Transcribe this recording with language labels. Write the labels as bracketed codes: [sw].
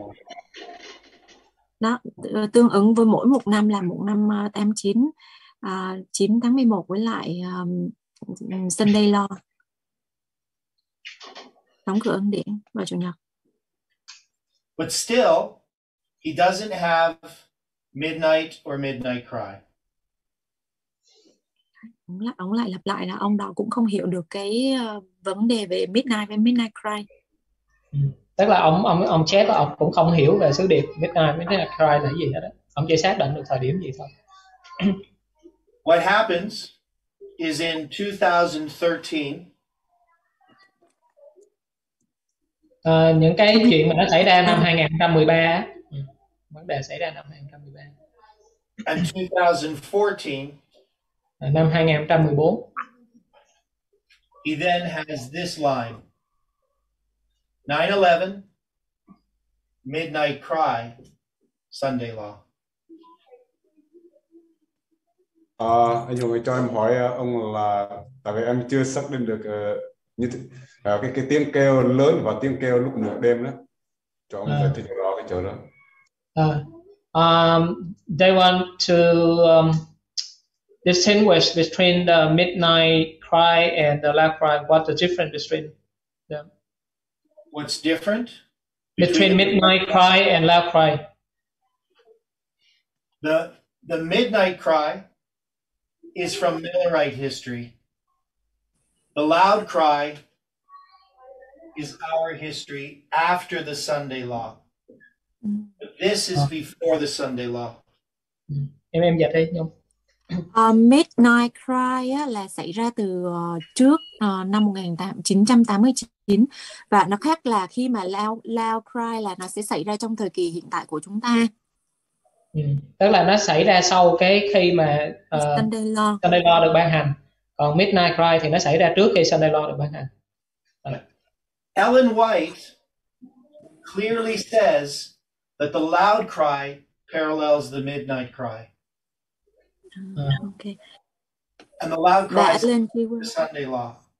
[vi] morning. Nó tương ứng với mỗi một năm là một năm 89, 9 tháng 11 với lại Sunday Law. Đóng cửa ân điển vào Chủ nhật. [en] But still, he doesn't have midnight or midnight cry. [vi] Ông lại lặp lại là ông đó cũng không hiểu được cái vấn đề về midnight và midnight cry. Tức là ông chép ông cũng không hiểu về sứ điệp midnight midnight cry là gì hết đó. Ông chỉ xác định được thời điểm gì thôi. [en] What happens is in 2013. [vi] Những cái chuyện mà nó xảy ra năm 2013 á. Vấn đề xảy ra năm 2013. [en] And 2014. [vi] Năm 2014. [en] He then has this line. 9/11, midnight cry, Sunday law. [vi] Anh Hùng ơi, cho em hỏi ông là tại vì em chưa xác định được cái tiếng kêu lớn và tiếng kêu lúc nửa đêm đó. Cho ông giải thích rõ cái chỗ đó. [en] They want to distinguish between the midnight cry and the loud cry. What's the difference between them? What's different? Between midnight cry and loud cry. The midnight cry is from Millerite history. The loud cry is our history after the Sunday law. But this is before the Sunday law. [vi] Em giật đấy nhung. Midnight cry là xảy ra từ trước năm 1989 và nó khác là khi mà loud cry là nó sẽ xảy ra trong thời kỳ hiện tại của chúng ta. Tức là nó xảy ra sau cái khi mà Sunday law được ban hành. Còn midnight cry thì nó xảy ra trước khi Sunday law được ban hành. [en] Ellen White clearly says that the loud cry parallels the midnight cry. Okay. And the loud cry is the Sunday law.